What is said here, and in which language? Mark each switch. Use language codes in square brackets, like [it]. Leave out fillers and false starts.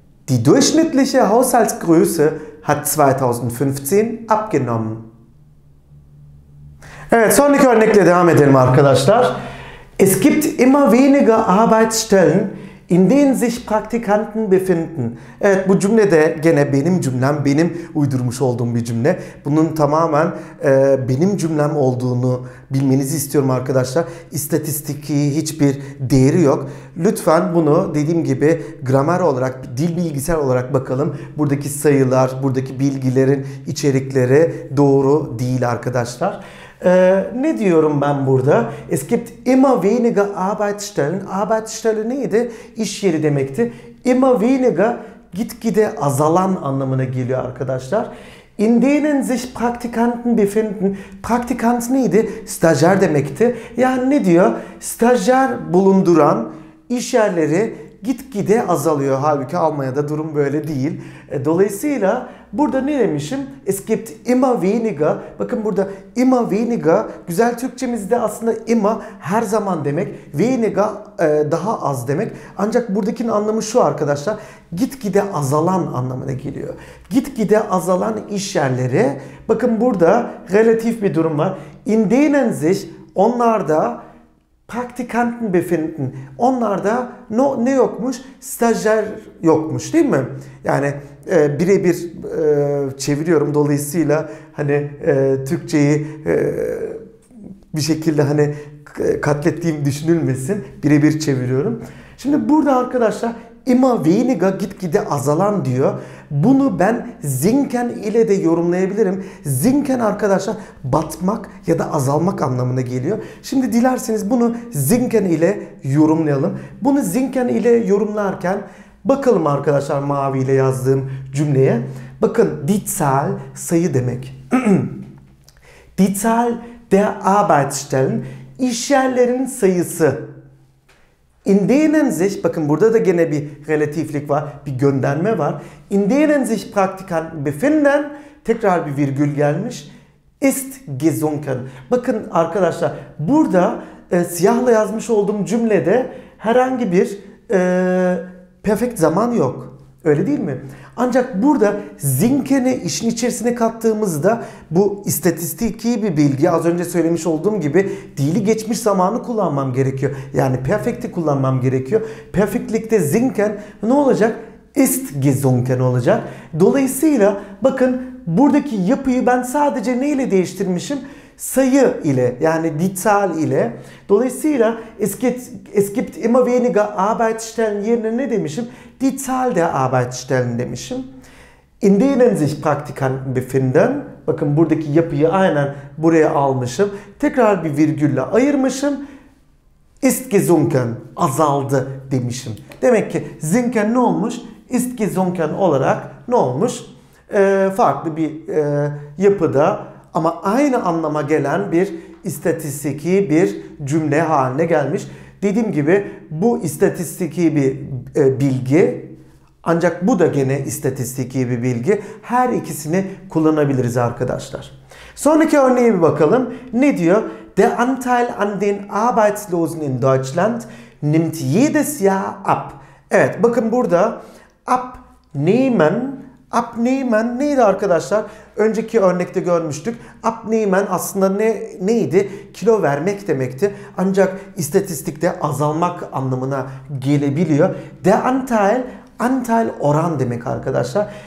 [de] Die durchschnittliche Haushaltsgröße hat 2015 abgenommen. [tr] Evet, sonraki örnekle devam edelim arkadaşlar. [de] Es gibt immer weniger Arbeitsstellen in denen sich Praktikanten befinden. [tr] Evet, bu cümle de gene benim cümlem, benim uydurmuş olduğum bir cümle. Bunun tamamen benim cümlem olduğunu bilmenizi istiyorum arkadaşlar. İstatistiki hiçbir değeri yok. Lütfen bunu dediğim gibi gramer olarak, dil bilgisayar olarak bakalım. Buradaki sayılar, buradaki bilgilerin içerikleri doğru değil arkadaşlar. Ne diyorum ben burada? [de] Es gibt immer weniger Arbeitsstellen. [tr] Arbeitsstelle neydi? İş yeri demekti. [de] Immer weniger, [tr] gitgide azalan anlamına geliyor arkadaşlar. [de] In denen sich Praktikanten befinden. [tr] Praktikant neydi? Stajyer demekti. Yani ne diyor? Stajyer bulunduran iş yerleri gitgide azalıyor. Halbuki Almanya'da durum böyle değil. Dolayısıyla burada ne demişim? [de] Es gibt immer weniger. [tr] Bakın burada [de] immer weniger. [tr] Güzel Türkçemizde aslında immer her zaman demek. Weniger daha az demek. Ancak buradakinin anlamı şu arkadaşlar. Gitgide azalan anlamına geliyor. Gitgide azalan iş yerleri. Bakın burada relatif bir durum var. [de] In denen sich [tr] onlarda [de] Praktikanten befinden. [tr] Onlarda ne yokmuş? Stajyer yokmuş, değil mi? Yani birebir çeviriyorum. Dolayısıyla hani Türkçeyi bir şekilde hani katlettiğim düşünülmesin. Birebir çeviriyorum. Şimdi burada arkadaşlar [de] immer weniger [tr] gitgide azalan diyor. Bunu ben sinken ile de yorumlayabilirim. Sinken arkadaşlar batmak ya da azalmak anlamına geliyor. Şimdi dilerseniz bunu sinken ile yorumlayalım. Bunu sinken ile yorumlarken bakalım arkadaşlar mavi ile yazdığım cümleye. Bakın Dietzahl sayı demek. [de] Dietzahl der Arbeitsstellen [tr] işyerlerin sayısı. [de] In denen sich, [tr] bakın burada da gene bir relatiflik var, bir gönderme var. [de] In denen sich Praktikanten befinden, [tr] tekrar bir virgül gelmiş, [de] ist gesunken. [tr] Bakın arkadaşlar, burada siyahla yazmış olduğum cümlede herhangi bir perfect zaman yok. Öyle değil mi? Ancak burada sinken'i işin içerisine kattığımızda bu istatistiki bir bilgi, az önce söylemiş olduğum gibi dili geçmiş zamanı kullanmam gerekiyor. Yani perfect'i kullanmam gerekiyor. Perfect'likte sinken ne olacak? [de] Ist gesunken [tr] olacak. Dolayısıyla bakın buradaki yapıyı ben sadece neyle değiştirmişim? Sayı ile, yani Dietzahl ile. Dolayısıyla [de] es gibt immer weniger Arbeitsstellen [tr] yerine ne demişim? [de] Dietzahl der Arbeitsstellen [tr] demişim. [de] In denen sich Praktikanten befinden. [tr] Bakın buradaki yapıyı aynen buraya almışım. Tekrar bir virgülle ayırmışım. [de] Ist gesunken, [tr] azaldı demişim. Demek ki sinken ne olmuş? [de] Ist gesunken [tr] olarak ne olmuş? Farklı bir yapıda. Ama aynı anlama gelen bir istatistiki bir cümle haline gelmiş. Dediğim gibi bu istatistiki bir bilgi. Ancak bu da gene istatistiki bir bilgi. Her ikisini kullanabiliriz arkadaşlar. Sonraki örneğe bir bakalım. Ne diyor? [de] Der Anteil an den Arbeitslosen in Deutschland nimmt jedes Jahr ab. [tr] Evet, bakın burada abnehmen. Abnehmen neydi arkadaşlar? Önceki örnekte görmüştük. Abnehmen aslında neydi? Kilo vermek demekti. Ancak istatistikte azalmak anlamına gelebiliyor. [de] Der Anteil, [tr] Anteil oran demek arkadaşlar.